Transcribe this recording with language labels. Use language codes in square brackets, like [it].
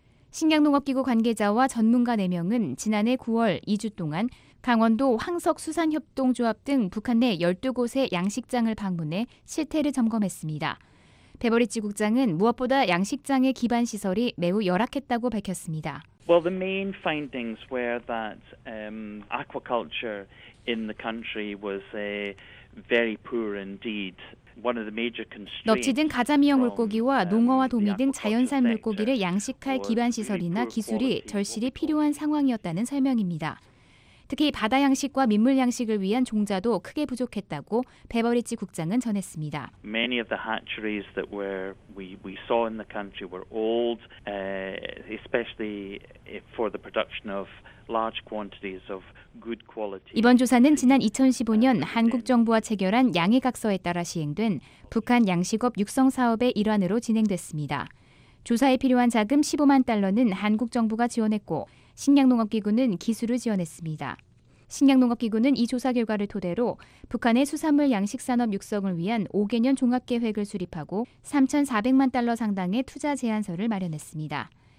[ko] 식량농업기구 관계자와 전문가 4명은 지난해 9월 2주 동안 강원도 황석수산협동조합 등 북한 내 12곳의 양식장을 방문해 실태를 점검했습니다. 페버리지 국장은 무엇보다 양식장의 기반시설이 매우 열악했다고 밝혔습니다. [en] Well, the main findings were that aquaculture in the country was very poor indeed. [ko] 넙치든 가자미형 물고기와 농어와 도미 등 자연산 물고기를 양식할 기반시설이나 기술이 절실히 필요한 상황이었다는 설명입니다. 특히 바다 양식과 민물 양식을 위한 종자도 크게 부족했다고 페버리지 국장은 전했습니다. [en] Many of the hatcheries that we saw in the country were old, especially for the production of large quantities of good quality. [ko] 이번 조사는 지난 2015년 한국 정부와 체결한 양해각서에 따라 시행된 북한 양식업 육성 사업의 일환으로 진행됐습니다. 조사에 필요한 자금 15만 달러는 한국 정부가 지원했고 식량농업기구는 기술을 지원했습니다. 식량농업기구는 이 조사 결과를 토대로 북한의 수산물 양식산업 육성을 위한 5개년 종합계획을 수립하고 3,400만 달러 상당의 투자 제안서를 마련했습니다.